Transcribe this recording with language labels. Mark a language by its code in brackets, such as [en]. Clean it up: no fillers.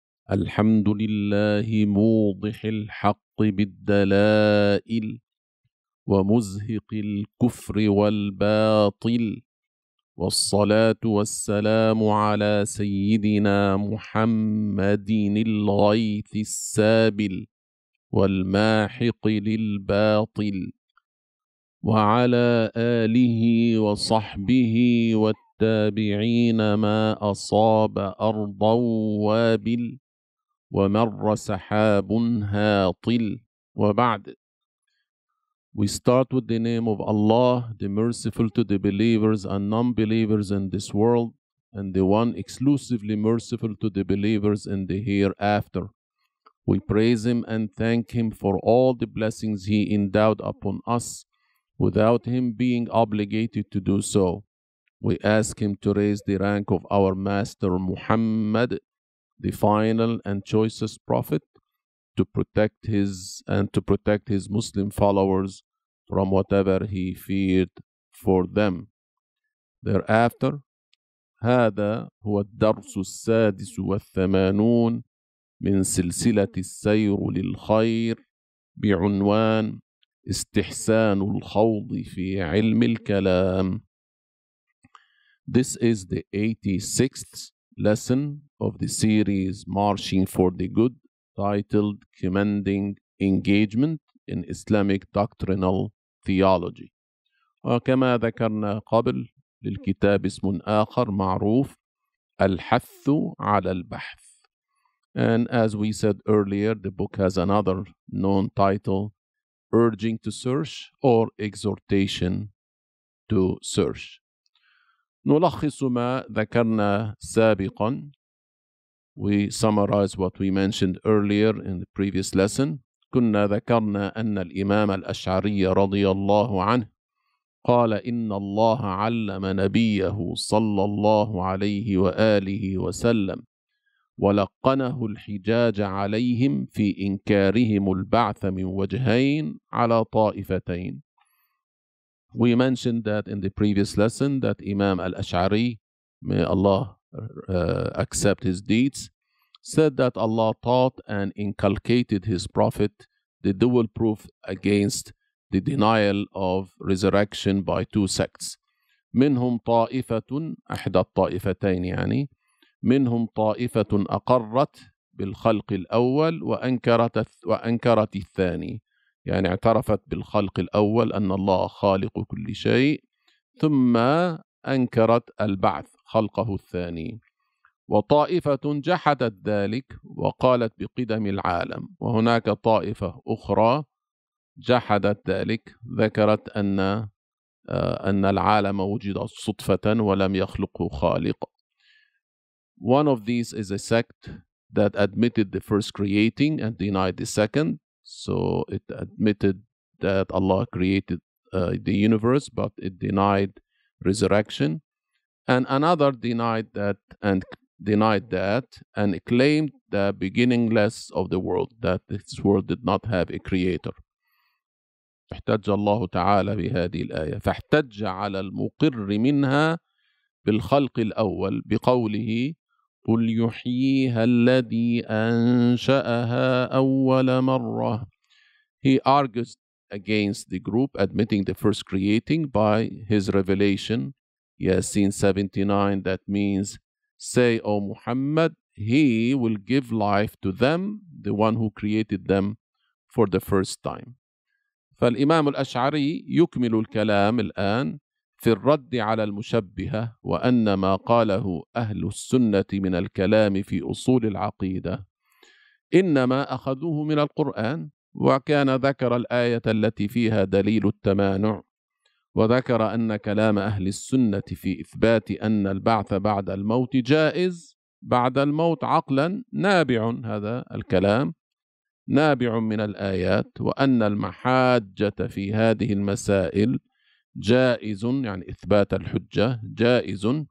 [ar] الحمد لله موضح الحق بالدلائل ومزهق الكفر والباطل، والصلاة والسلام على سيدنا محمد الغيث السابل والماحق للباطل، وعلى آله وصحبه والتابعين ما أصاب أرضا وابل ومر سحاب هاطل. وبعد، [en] We start with the name of Allah, the merciful to the believers and non-believers in this world, and the one exclusively merciful to the believers in the hereafter. We praise him and thank him for all the blessings he endowed upon us without him being obligated to do so. We ask him to raise the rank of our master Muhammad, the final and choicest prophet, to protect his Muslim followers from whatever he feared for them. Thereafter, [ar] هذا هو الدرس السادس والثمانون من سلسلة السير للخير بعنوان استحسان الخوض في علم الكلام. [en] This is the 86th lesson of the series Marching for the Good, titled Commanding Engagement in Islamic Doctrinal Theology. [ar] وكما ذكرنا قبل، للكتاب اسم آخر معروف، الحث على البحث. [en] And as we said earlier, the book has another known title, Urging to Search or Exhortation to Search. [ar] نلخص ما ذكرنا سابقا. [en] We summarize what we mentioned earlier in the previous lesson. [ar] كنا ذكرنا أن الإمام الأشعري رضي الله عنه قال إن الله علم نبيه صلى الله عليه وآله وسلم ولقنه الحجاج عليهم في إنكارهم البعث من وجهين على طائفتين. [en] We mentioned that in the previous lesson that Imam al-Ash'ari, may Allah accept his deeds, said that Allah taught and inculcated his prophet the dual proof against the denial of resurrection by two sects. [ar] منهم طائفة أحد الطائفتين يعني منهم طائفة أقرت بالخلق الأول وأنكرت الثاني. يعني اعترفت بالخلق الأول أن الله خالق كل شيء، ثم أنكرت البعث خلقه الثاني، وطائفة جحدت ذلك وقالت بقدم العالم، وهناك طائفة أخرى جحدت ذلك، ذكرت أن العالم وجد صدفة ولم يخلقه خالق. [en] One of these is a sect that admitted the first creating and denied the second. So it admitted that Allah created the universe, but it denied resurrection. And another denied that and claimed the beginningless of the world, that this world did not have a creator. [ar] احتج الله تعالى بهذه الآية فاحتج على المقر منها بالخلق الأول بقوله قل يحييها الذي أنشأها أول مرة. [en] He argues against the group admitting the first creating by his revelation, Yasin 79, that means, say, O Muhammad, he will give life to them, the one who created them, for the first time. [ar] فالإمام الأشعري يكمل الكلام الآن في الرد على المشبهة وأن ما قاله أهل السنة من الكلام في أصول العقيدة إنما أخذوه من القرآن، وكان ذكر الآية التي فيها دليل التمانع، وذكر أن كلام أهل السنة في إثبات أن البعث بعد الموت جائز بعد الموت عقلا نابع، هذا الكلام نابع من الآيات، وأن المحاجة في هذه المسائل جائز، يعني إثبات الحجة جائز